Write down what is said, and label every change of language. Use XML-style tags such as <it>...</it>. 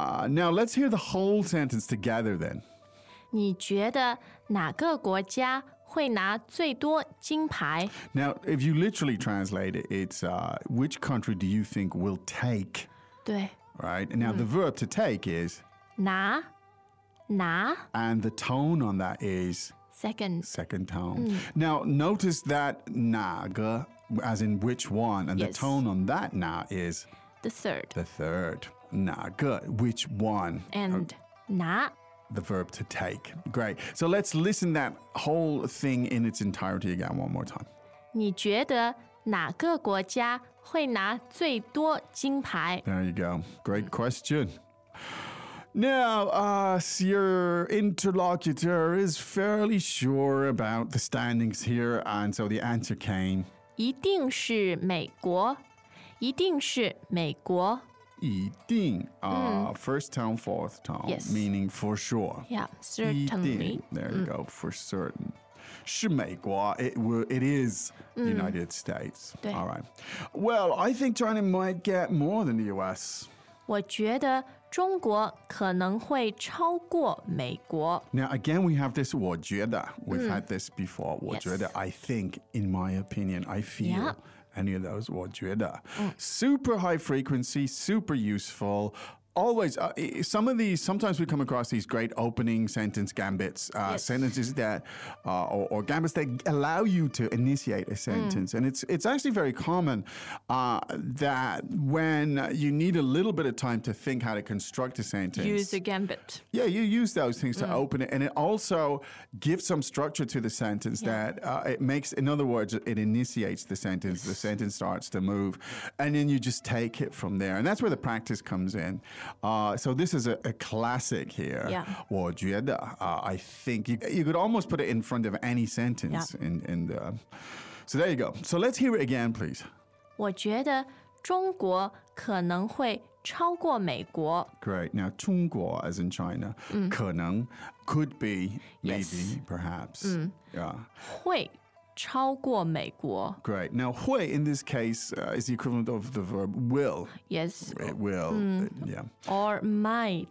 <en>Now, let's hear the whole sentence together then.</en> <zh>你觉得哪个国家会拿最多金牌?</zh> <en>Now, if you literally translate it, it's which country do you think will take?</en> <zh>对。</zh> <en>Right? Now, the verb to take is...</en> <zh>拿, 拿。</zh> <en>And the tone on that is... Second. Second tone. Mm. Now, notice that 哪个, as in which one, and the tone on that 哪 is... The third. The third. 哪个, which one. And 拿。 The verb to take. Great. So let's listen that whole thing in its entirety again one more time.</en> <zh>你觉得哪个国家会拿最多金牌?</zh> <en>There you go. Great question. Now, your interlocutor is fairly sure about the standings here, and so the answer came.</en> <zh>一定是美国。一定是美国。</zh> <en>一定, first tone, fourth tone, yes. Meaning for sure. Yeah, certainly. There you go, for certain.</en> <zh>是美国,</zh> <en>it is the United States.</en> <zh>对.</zh> <en>All right. Well, I think China might get more than the US.</en> <zh>我觉得中国可能会超过美国。</zh> <en>Now, again, we have this</en> <zh>我觉得.</zh> <en>We've had this before.</en> <zh>我觉得,</zh> <en>I think, in my opinion, I feel... Yeah. Any of those,</en> <zh>我觉得.</zh> <en>Super high frequency, super useful. Always, some of these, sometimes we come across these great opening sentence gambits, sentences that, or gambits that allow you to initiate a sentence. Mm. And it's actually very common that when you need a little bit of time to think how to construct a sentence. Use a gambit. Yeah, you use those things to open it. And it also gives some structure to the sentence that it makes, in other words, it initiates the sentence. The sentence starts to move. And then you just take it from there. And that's where the practice comes in. So this is a classic here. Yeah.</en> <zh>我觉得,</zh> <en>I think you could almost put it in front of any sentence. Yeah. In the, so there you go. So let's hear it again, please.</en> <zh>我觉得中国可能会超过美国。</zh> <en>Great. Now, 中国, as in China, 可能, could be, maybe, perhaps.</en> <zh>Yeah. 会超过美国。</zh> <en>Great. Now, 会 in this case is the equivalent of the verb will. Yes. It will. Mm. Yeah. Or might.</en>